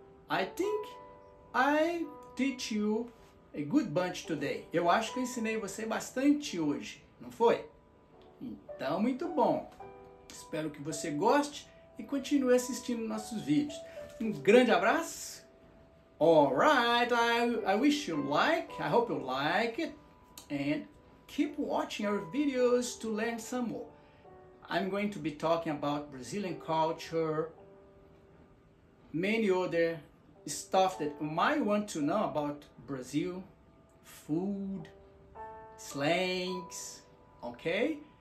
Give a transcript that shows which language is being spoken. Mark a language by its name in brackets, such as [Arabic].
[English] I think I teach you a good bunch today. [Portuguese] Eu acho que eu ensinei você bastante hoje, não foi? Então, muito bom. Espero que você goste e continue assistindo nossos vídeos. Um grande abraço. [English] Alright, I wish you like, I hope you like it. And keep watching our videos to learn some more. I'm going to be talking about Brazilian culture, many other stuff that you might want to know about Brazil, food, slangs, okay?